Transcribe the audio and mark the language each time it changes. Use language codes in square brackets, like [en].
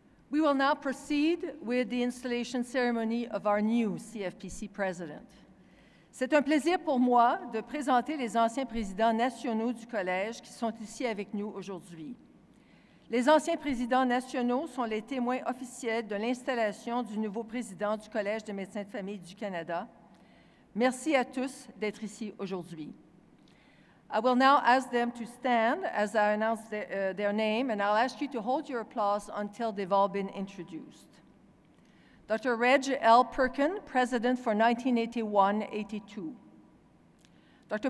[en] We will now proceed with the installation ceremony of our new CFPC president. [fr] C'est un plaisir pour moi de présenter les anciens présidents nationaux du Collège qui sont ici avec nous aujourd'hui. Les anciens présidents nationaux sont les témoins officiels de l'installation du nouveau président du Collège des médecins de famille du Canada. Merci à tous d'être ici aujourd'hui. [en] I will now ask them to stand as I announce their name, and I'll ask you to hold your applause until they've all been introduced. Dr. Reg L. Perkin, President for 1981-82. Dr.